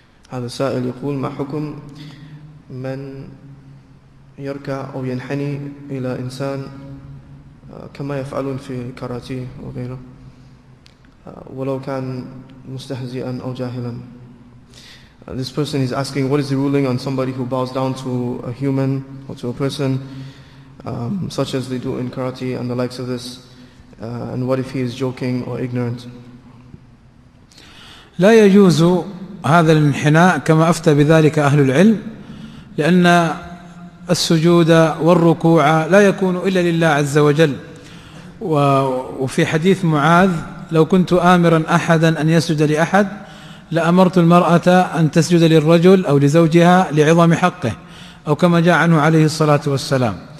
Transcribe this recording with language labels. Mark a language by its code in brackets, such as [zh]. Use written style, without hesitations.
[ar] هذا السائل يقول ما حكم من يركع أو ينحني إلى إنسان كما يفعلون في كاراتيه وغيره ولو كان مستهزئا أو جاهلا. [en] This person is asking what is the ruling on somebody who bows down to a human or to a person such as they do in karate and the likes of this, and what if he is joking or ignorant. [ar] لا يجوز هذا الانحناء كما أفتى بذلك أهل العلم، لأن السجود والركوع لا يكون إلا لله عز وجل. وفي حديث معاذ لو كنت آمرا أحدا أن يسجد لأحد لأمرت المرأة أن تسجد للرجل أو لزوجها لعظم حقه، أو كما جاء عنه عليه الصلاة والسلام.